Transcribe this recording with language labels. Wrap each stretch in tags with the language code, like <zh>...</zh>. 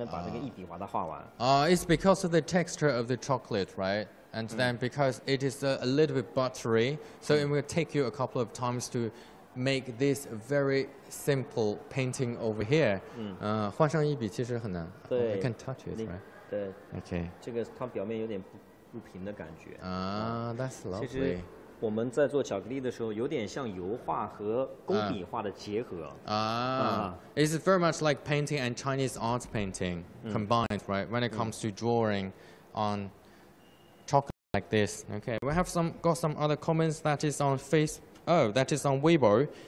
<en>It's because of the texture of the chocolate, right? And then because it is a little bit buttery, so it will take you a couple of times to make this very simple painting over here.</en> <zh>换上一笔其实很难。</zh> <en>I can touch it, right?</en> <zh>对。OK。这个它表面有点不平的感觉。</zh> <en>That's lovely.</en> <zh>我们在做巧克力的时候，有点像油画和工笔画的结合。</zh> <en>It's very much like painting and Chinese art painting combined, right? When it comes to drawing on chocolate like this. Okay, we have got some other comments that is on Facebook. Oh, that is on Weibo.</en>